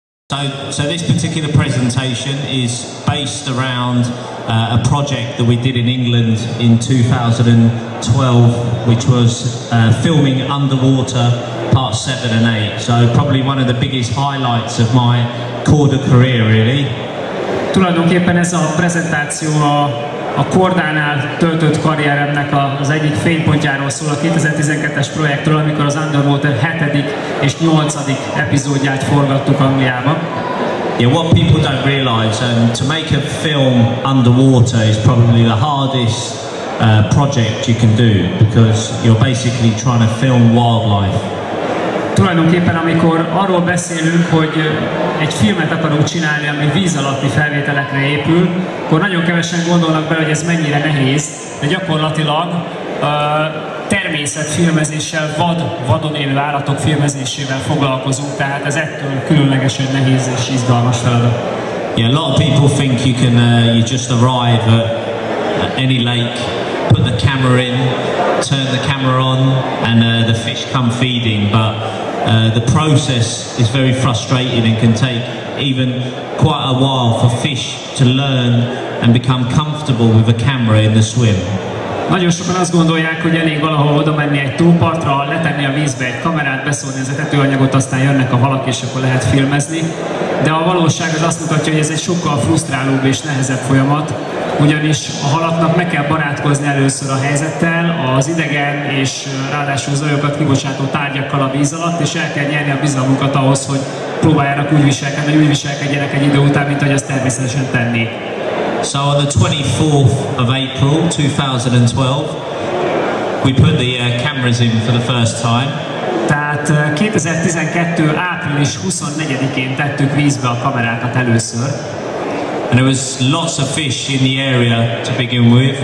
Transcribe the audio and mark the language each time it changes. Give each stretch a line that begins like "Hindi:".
English: So this particular presentation is based around a project that we did in England in 2012, which was filming underwater part 7 and 8. So probably one of the biggest highlights of my Korda career, really.
Hungarian: Tulajdonképpen ez a prezentáció a Kordánál töltött karrieremnek az egyik fénypontjáról szól, a 2012-es projektről, amikor az Underwater 7. és 8. epizódját forgattuk Angliában.
English: Yeah, what people don't realize, to make a film underwater is probably the hardest project you can do, because you're basically trying to film wildlife.
Hungarian: Tulajdonképpen, amikor arról beszélünk, hogy egy filmet akarunk csinálni, ami víz alatti felvételekre épül, akkor nagyon kevesen gondolnak bele, hogy ez mennyire nehéz, de gyakorlatilag természet filmezéssel, vadon élő állatok filmezésével foglalkozunk, tehát ez ettől különlegesen nehéz és izgalmas feladat.
English: Yeah, a lot of people think you can you just arrive at any lake, put the camera in, turn the camera on, and the fish come feeding, but the process is very frustrating and can take even quite a while for fish to learn and become comfortable with a camera in the swim.
Hungarian: Nagyon sokan azt gondolják, hogy elég valahol oda menni egy túlpartra, letenni a vízbe egy kamerát, beszólni az etetőanyagot, aztán jönnek a halak, és akkor lehet filmezni. De a valóság az azt mutatja, hogy ez egy sokkal frusztrálóbb és nehezebb folyamat, ugyanis a halaknak meg kell barátkozni először a helyzettel, az idegen és ráadásul zajokat kibocsátó tárgyakkal a víz alatt, és el kell nyerni a bizalmukat ahhoz, hogy próbáljanak úgy viselkedjenek egy idő után, mint ahogy azt természetesen tenni.
English: So on the 24th of April 2012, we put the cameras in for the first time.
Hungarian: Tehát 2012. április 24-én tettük vízbe a kamerákat először.
English: And there was lots of fish in the area to begin with.